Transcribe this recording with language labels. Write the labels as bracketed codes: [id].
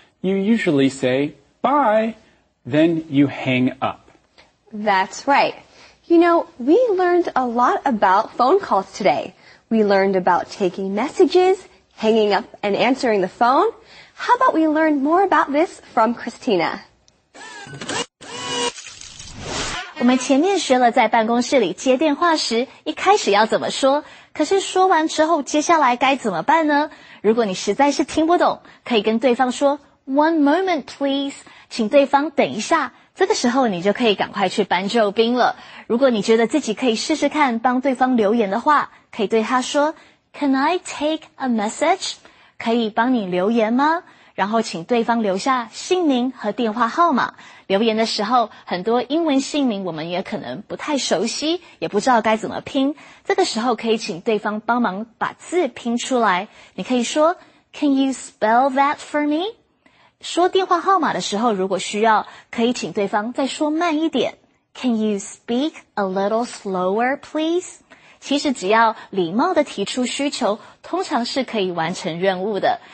[en] You usually say, bye. Then you hang up. That's right. You know, we learned a lot about phone calls today. We learned about taking messages,hanging up and answering the phone. How about we learn more about this from Christina? [zh] 我们前面学了在办公室里接电话时一开始要怎么说，可是说完之后接下来该怎么办呢？如果你实在是听不懂，可以跟对方说 [en] One moment please， [zh] 请对方等一下，这个时候你就可以赶快去搬救兵了。如果你觉得自己可以试试看帮对方留言的话，可以对他说 [en] Can I take a message? [zh] 可以帮你留言吗？然后请对方留下姓名和电话号码。留言的时候，很多英文姓名我们也可能不太熟悉，也不知道该怎么拼。这个时候可以请对方帮忙把字拼出来。你可以说 [en] Can you spell that for me? [zh] 说电话号码的时候，如果需要，可以请对方再说慢一点。 [en] Can you speak a little slower, please? [zh] 其实只要礼貌地提出需求，通常是可以完成任务的。